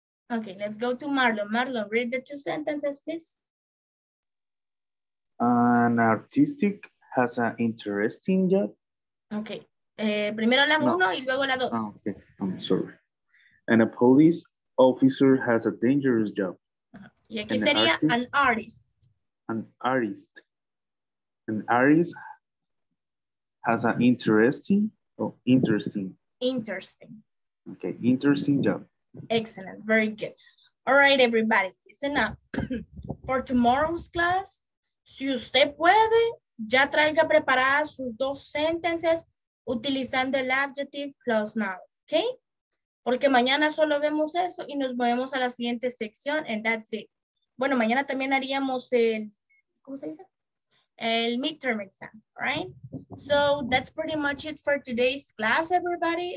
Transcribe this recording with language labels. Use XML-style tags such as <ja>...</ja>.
<en>Okay, let's go to Marlon. Marlon, read the two sentences, please. An artistic has an interesting job.</en> <es>Okay, primero la uno y luego la dos.</es> <en>Oh, okay, I'm sorry. And a police officer has a dangerous job.</en> <es>Y aquí and sería an artist.</es> <en>An artist. An artist has an interesting or oh, interesting. Interesting. Okay, interesting job. Excellent, very good. All right, everybody, listen up. For tomorrow's class,</en> <es>si usted puede, ya traiga preparadas sus dos sentences utilizando el adjective plus noun, okay? Porque mañana solo vemos eso y nos movemos a la siguiente sección,</es> <en>and that's it.</en> <es>Bueno, mañana también haríamos el, ¿cómo se dice? El midterm exam,</es> <en>right? So that's pretty much it for today's class, everybody.</en>